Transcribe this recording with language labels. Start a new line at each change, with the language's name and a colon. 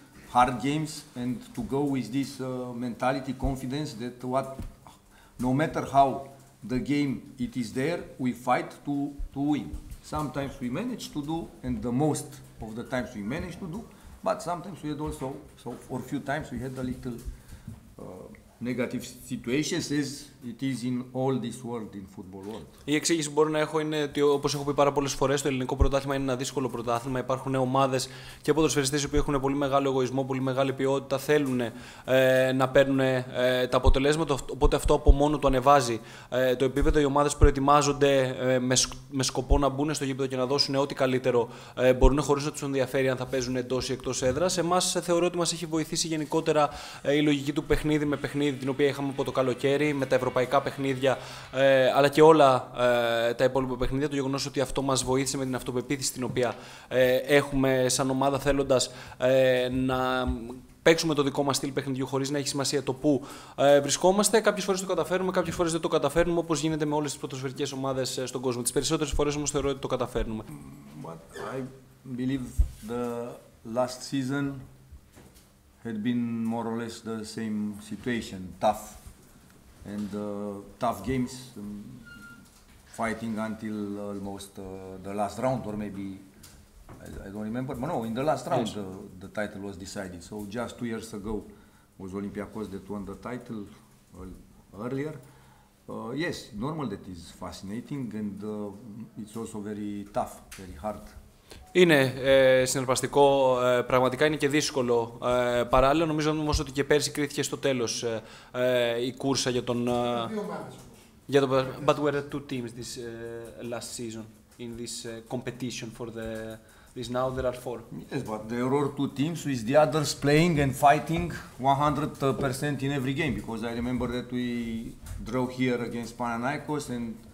English: hard games and to go with this mentality, confidence that what, no matter how the game it is there, we fight to win. Sometimes we manage to do, and the most of the times we manage to do, but sometimes we had also, so for a few times we had a little negative situations, as It is in all this world, in football world.
Greek: Η εξήγηση που μπορώ να έχω είναι ότι, όπως έχω πει πάρα πολλές φορές, το ελληνικό πρωτάθλημα είναι ένα δύσκολο πρωτάθλημα. Υπάρχουν ομάδες και ποδοσφαιριστές που έχουν πολύ μεγάλο εγωισμό, πολύ μεγάλη ποιότητα, θέλουν να παίρνουν τα αποτελέσματα. Οπότε αυτό από μόνο του ανεβάζει το επίπεδο. Οι ομάδες προετοιμάζονται με σκοπό να μπουν στο γήπεδο και να δώσουν ό,τι καλύτερο μπορούν, χωρίς να τους ενδιαφέρει αν θα παίζουν εντός ή εκτός έδρας. Εμάς θεωρώ ότι μας έχει βοηθήσει γενικότερα η λογική του παιχνίδι με παιχνίδι, την οποία είχαμε από το καλοκαίρι, με τα ευρωπαϊκά παιχνίδια, αλλά και όλα τα υπόλοιπα παιχνίδια. Το γεγονός ότι αυτό μας βοήθησε με την αυτοπεποίθηση την οποία έχουμε σαν ομάδα, θέλοντας να παίξουμε το δικό μας στυλ παιχνιδιού χωρίς να έχει σημασία το πού βρισκόμαστε. Κάποιες φορές το καταφέρνουμε, κάποιες φορές δεν το καταφέρνουμε, όπως γίνεται με όλες τις ποδοσφαιρικές ομάδες στον κόσμο. Τις περισσότερες φορές όμως θεωρώ ότι το καταφέρνουμε.
English: But I believe the last season had been more or less the same situation, tough. And tough games, fighting until almost the last round, or maybe I don't remember. But no, in the last round, the title was decided. So just 2 years ago, was Olympiacos that won the title earlier. Yes, normal that is fascinating, and it's also very tough, very hard.
Greek: Είναι συναρπαστικό, πραγματικά είναι και δύσκολο. Παράλληλα, νομίζω όμως ότι και πέρσι κρίθηκε στο τέλος η κούρσα για τον. Για δύο μάτς.
English: But were two teams this last season in this competition for the. This now there are four. Yes, but there are two teams with the others playing and fighting 100% in every game. Because I remember that we drew here against Panathinaikos and.